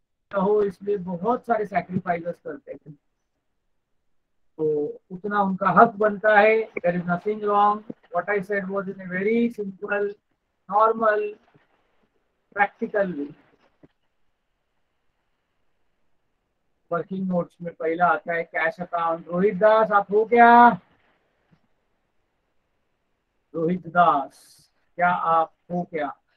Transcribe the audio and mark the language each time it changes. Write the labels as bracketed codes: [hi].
[hi] तो इसलिए बहुत सारे sacrifices करते हैं। तो उतना उनका हक बनता है। [en] There is nothing wrong. What I said was in a very simple, normal, practical way. [hi] Working notes में पहला आता है कैश अकाउंट। रोहित दास आप हो क्या? रोहित दास क्या आप हो क्या?